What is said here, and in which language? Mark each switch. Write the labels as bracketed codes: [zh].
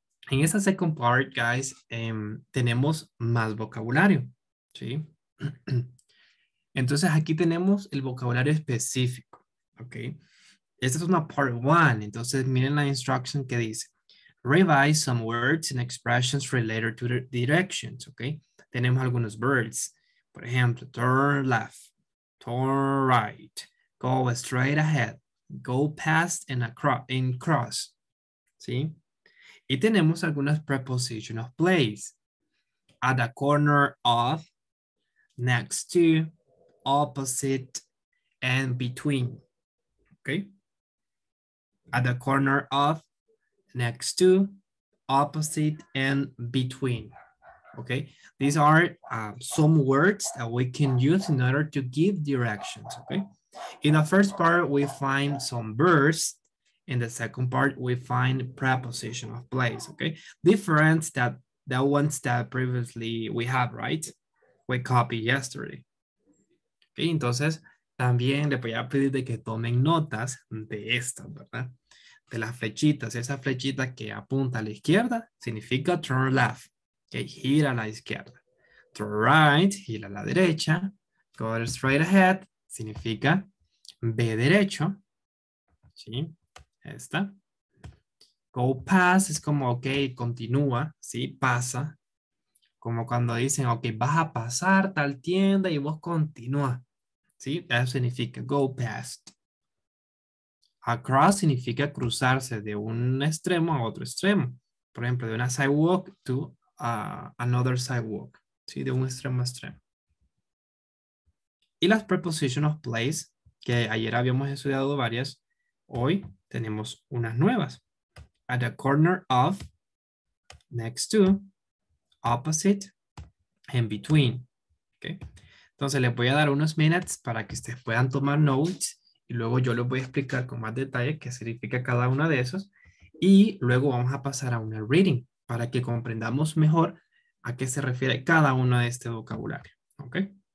[es] En esa second part, guys, tenemos más vocabulario, ¿sí? Entonces aquí tenemos el vocabulario específico, ¿ok? Esta es una part one, entonces miren la instruction que dice. [en] revise some words and expressions related to the directions, okay? [es] Tenemos algunos [en] verbs. [es] Por ejemplo, [en] turn left, turn right, go straight ahead, go past and across, and cross, ¿sí? [es] Y tenemos algunas prepositional place. [en] At the corner of, next to, opposite, and between, okay? At the corner of, next to, opposite, and between, okay? These are some words that we can use in order to give directions, okay? In the first part, we find some verbs. In the second part, we find preposition of place, okay? Difference that the ones that previously we have, right? We copied yesterday. [es] Okay, entonces, también le voy a pedir de que tomen notas de estas, ¿verdad? De las flechitas. Esa flechita que apunta a la izquierda significa turn left, que okay? Gira a la izquierda. Turn right, gira a la derecha. Go straight ahead, significa ve derecho. ¿Sí? Esta. Go past es como, ok, continúa, ¿sí? Pasa. Como cuando dicen, ok, vas a pasar tal tienda y vos continúa. ¿Sí? Eso significa go past. Across significa cruzarse de un extremo a otro extremo. Por ejemplo, de una [en] sidewalk to another sidewalk. [es] ¿Sí? De un extremo a extremo. Y las prepositional place, que ayer habíamos estudiado varias, hoy tenemos unas nuevas. [en] At the corner of, next to, opposite, and between. Okay. [es] Entonces, les voy a dar unos minutes para que ustedes puedan tomar notes y luego yo les voy a explicar con más detalle qué significa cada una de esos y luego vamos a pasar a una reading para que comprendamos mejor a qué se refiere cada uno de este vocabulario. Okay.